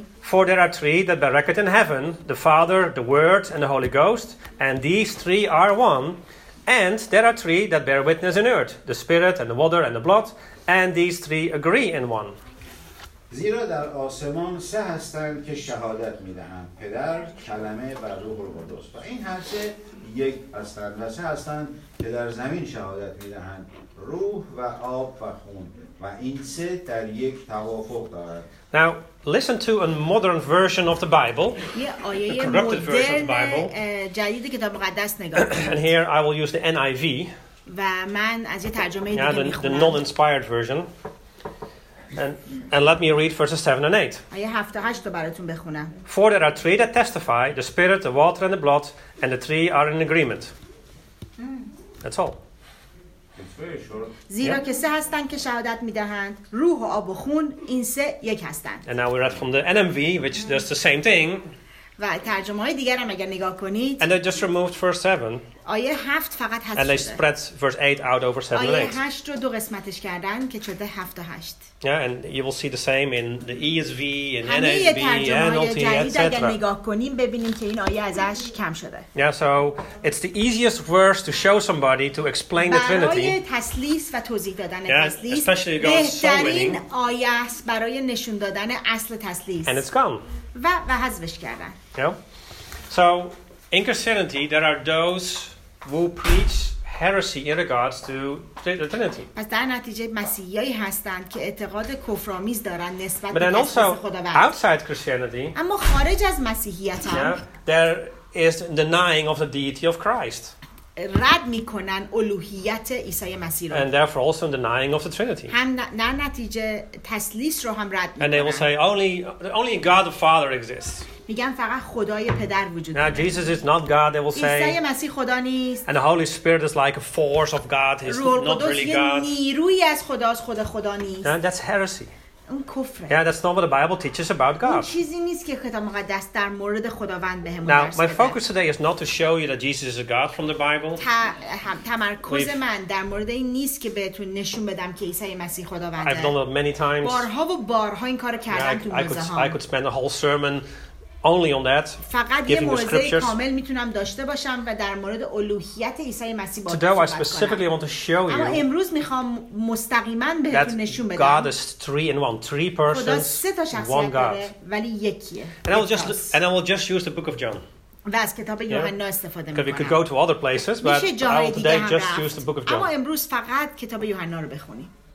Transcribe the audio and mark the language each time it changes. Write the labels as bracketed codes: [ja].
[en] For there are three that bear record in heaven, the Father, the Word, and the Holy Ghost, and these three are one. And there are three that bear witness in earth, the Spirit, and the water, and the blood, and these three agree in one. [fa] زیرا در آسمان سه هستند که شهادت می‌دهند: پدر، کلمه و روح القدس. و این هر سه یک هستند و سه هستند که در زمین شهادت می‌دهند: روح و آب و خون. و این سه در یک توافق دارند. [en] Now listen to a modern version of the Bible. Yeah, the corrupted version of the Bible. [fa] جدید کتاب مقدس نگاه. [en] And here I will use the NIV. [fa] و من از یه ترجمه دیگه می‌خونم. [en] Yeah, the non-inspired version. And let me read verses 7 and 8. [fa] آیه 7 و 8 رو براتون بخونم. [en] For there are three that testify, the Spirit, the water and the blood, and the three are in agreement. That's all. [fa] زیرا که سه هستند که شهادت میدهند روح و آب و خون این سه یک هستند. [en] And now we read from the NMV, which does the same thing. [fa] و ترجمه های دیگر هم اگر نگاه کنید. [en] And they just removed verse 7. [fa] آیه 7 فقط هست. [en] And they spread verse 8 out over 7 and 8. [fa] آیه 8 رو دو قسمتش کردن که شده 7 و 8. [en] Yeah, and you will see the same in the ESV and [fa] همه [en] NASB and all the etc. [fa] اگر نگاه کنیم ببینیم که این آیه ازش کم شده. [en] Yeah, so it's the easiest verse to show somebody to explain the Trinity. [fa] برای تسلیس و توضیح دادن تسلیس. [en] Yeah, especially you got so many. [fa] بهترین آیه است برای نشون دادن اصل تسلیس. [en] And it's gone. [fa] و حذفش کردن. [en] Yeah. So in Christianity, there are those who preach heresy in regards to the Trinity. [fa] پس در نتیجه مسیحیایی هستند که اعتقاد کفرآمیز دارند نسبت به خداوند. [en] But then also outside Christianity. [fa] اما خارج از مسیحیت هم. [en] There is denying of the deity of Christ. [fa] رد میکنن الوهیت عیسی مسیح رو. [en] And therefore also denying of the Trinity. [fa] هم در نتیجه تسلیس رو هم رد میکنن. [en] And they will say only God the Father exists. [fa] میگن فقط خدای پدر وجود داره. [en] Now Jesus is not God, they will say. [fa] عیسی مسیح خدا نیست. [en] And the Holy Spirit is like a force of God, he's not really God. [fa] روح القدس نیرویی از خداست، خود خدا نیست. [en] And that's heresy. [fa] اون کفره. [en] Yeah, that's not what the Bible teaches about God. [fa] اون چیزی نیست که کتاب مقدس در مورد خداوند بهمون درس بده. [en] Now, my focus today is not to show you that Jesus is a God from the Bible. [fa] تمرکز من در مورد این نیست که بهتون نشون بدم که عیسی مسیح خداونده. [en] I've done that many times. [fa] بارها و بارها این کارو کردم تو مذاهم. [en] I could spend a whole sermon only on that. [fa] فقط یه موضوع کامل میتونم داشته باشم و در مورد الوهیت عیسی مسیح باهاتون صحبت کنم. [en] Today I specifically want to show you. [fa] اما امروز میخوام مستقیما بهتون نشون بدم. [en] God is three in one, three persons. [fa] خدا سه تا شخصیت داره ولی یکیه. [en] And I will just use the book of John. [fa] و از کتاب یوحنا استفاده میکنم. [en] We could go to other places, but I will today just use the book of John. [fa] اما امروز فقط کتاب یوحنا رو بخونیم.